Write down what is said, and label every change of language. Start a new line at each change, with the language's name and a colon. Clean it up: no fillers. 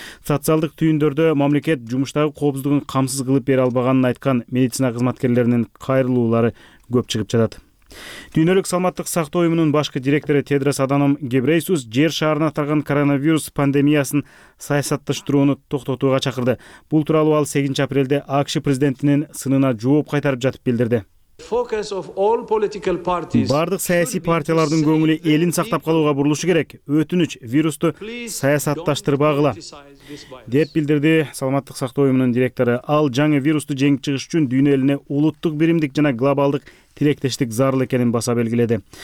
Kyrgyz: Социалдык түйүндөрдө мамлекет жумуштагы коопсуздугун камсыз кылып бере албаганын айткан медицина кызматкерлеринин кайрылуулары көп чыгып жатат. Дүйнөлүк саламаттык сактоо уюмунун башкы директору Тедрос Аданом Гебрейсус жер шаарына тараган коронавирус пандемиясын саясатташтырууну токтотууга чакырды. Бул тууралуу ал 8 апрелде АКШ президентинин сынына жооп кайтарып жатып билдирди.
English: Focus of all political parties.
Kyrgyz: Бардык саясий партиялардын көңүлү элин сактап калууга бурулушу керек. Өтүнүч вирусту саясатташтырбагыла деп билдирди Саламаттык сактоо уюмунун директору. Ал жаңы вирусту жеңип чыгыш үчүн дүйнө элине улуттук биримдик жана глобалдык тилектештик зарыл экенин баса белгиледи.